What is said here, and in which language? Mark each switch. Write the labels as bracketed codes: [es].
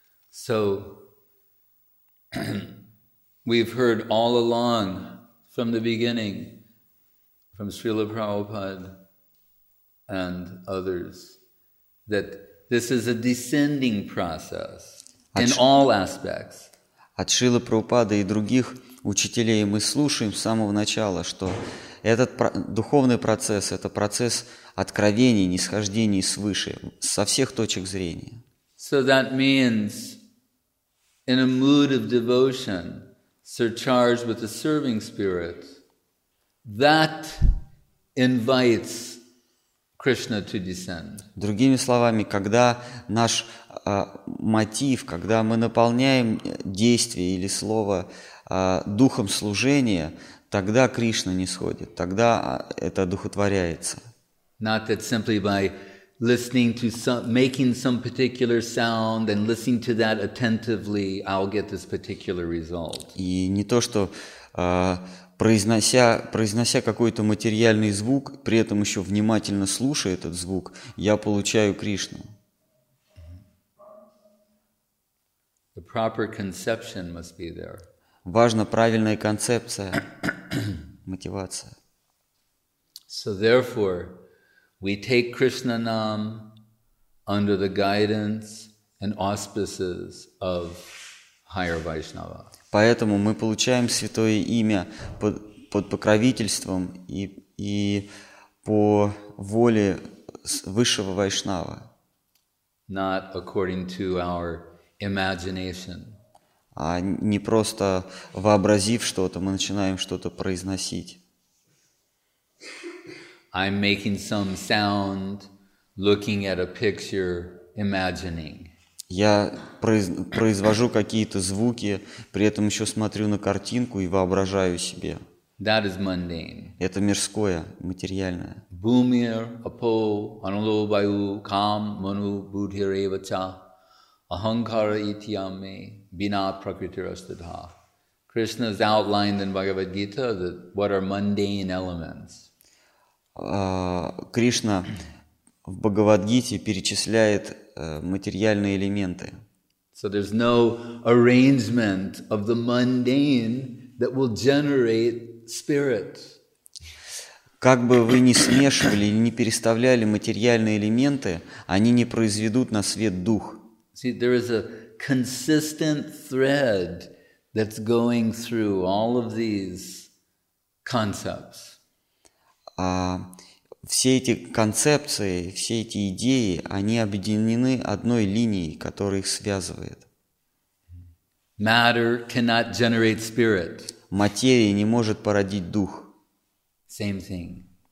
[en] So we've heard all along from the beginning from Srila Prabhupada and others that this is a descending process. In all aspects. [ru] От Шрилы Прабхупады и других учителей мы слушаем с самого начала, что этот духовный процесс – это процесс откровений, нисхождений свыше, со всех точек зрения. [en] So that means, in a mood of devotion, surcharged with a serving spirit, that invites Krishna to descend. [ru] Другими словами, когда наш мотив, когда мы наполняем действие или слово духом служения, тогда Кришна нисходит, тогда это духотворяется. [en] Not that simply by listening to some, making some particular sound and listening to that attentively, I'll get this particular result. [ru] И не то, что произнося какой-то материальный звук, при этом еще внимательно слушая этот звук, я получаю Кришну. [en] The proper conception must be there. [ru] Важна правильная концепция, мотивация. [en] So therefore, we take Krishna Nam under the guidance and auspices of higher Vaishnava. [ru] Поэтому мы получаем святое имя под покровительством и по воле высшего Вайшнава. [en] Not according to our imagination. [ru] А не просто вообразив что-то, мы начинаем что-то произносить. [en] I'm making some sound, looking at a picture, imagining. [ru] Я произвожу какие-то звуки, при этом еще смотрю на картинку и воображаю себе. [en] That is mundane. [ru] Это мирское, материальное. [sa] Бумир, апо, анулобаю, кам, ману, будхиревача, ахангкара итьяме, бина пракритирастадха. [en] Krishna's outlined in Bhagavad Gita that what are mundane elements. [ru] Krishna в Бхагавад-гите перечисляет материальные элементы. [en] So there's no arrangement of the mundane that will generate spirit. [ru] Как бы вы ни смешивали или ни переставляли материальные элементы, они не произведут на свет дух. [en] See, there is a consistent thread that's going through all of these concepts. [ru] Все эти концепции, все эти идеи, они объединены одной линией, которая их связывает. [en] Matter cannot generate spirit. [ru] Материя не может породить дух. [en] Same thing.